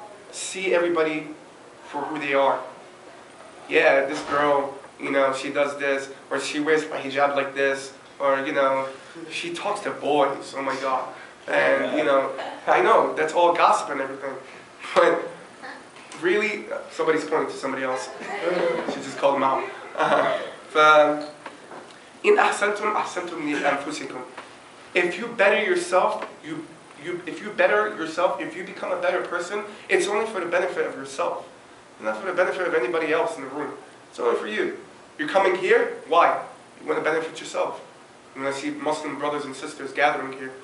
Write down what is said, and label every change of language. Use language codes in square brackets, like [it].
[en] See everybody for who they are. Yeah, this girl, you know, she does this, or she wears a hijab like this, or, you know, she talks to boys, oh my God. And, you know, I know, that's all gossip and everything. But, really, somebody's pointing to somebody else. She just called them out. [ar] In أحسنتم أحسنتم لأنفسكم. [en] If you better yourself, if you become a better person, it's only for the benefit of yourself. Not for the benefit of anybody else in the room. It's only for you. You're coming here, why? You want to benefit yourself. You want to see Muslim brothers and sisters gathering here.